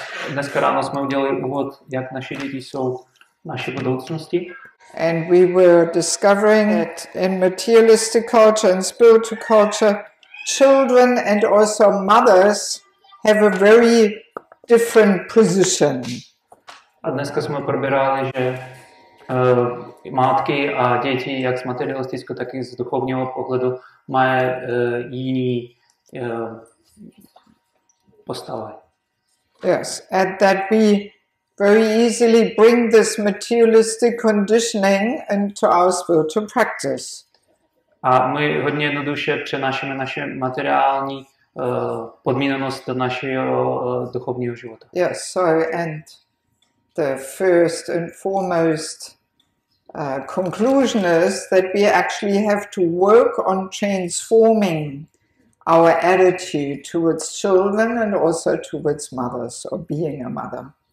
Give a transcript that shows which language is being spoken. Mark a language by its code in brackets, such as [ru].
[cs] Dneska ráno jsme udělali úvod, jak naše děti jsou naše budoucnosti. [en] And we were discovering that in materialistic culture and spiritual culture, children and also mothers have a very different position. [cs] A dneska jsme probírali, že matky a děti, jak z materialistického, tak i z duchovního pohledu, mají jiný postavy. [en] Yes, and that we very easily bring this materialistic conditioning into our spiritual practice. [cs] A my hodně jednoduše přenášíme naše materiální podmíněnost do našeho duchovního života. [en] Yes, so and the first and foremost conclusion is that we actually have to work on transforming our attitude towards children and also towards mothers or being a mother.